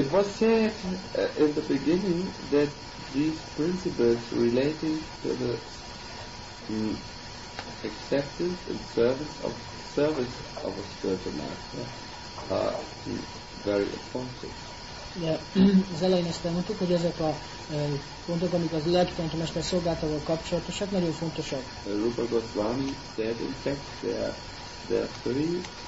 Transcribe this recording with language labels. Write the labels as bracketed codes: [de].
[en] It was said in the beginning that these principles relating to the acceptance and service of a spiritual master are very important. [hu] Yeah, az elején ezt elmondtuk, hogy ezek a pontok, amik az legfontosabb mester szolgálatával kapcsolatosak, nagyon fontosak. [en] Rupa Goswami said in fact there are three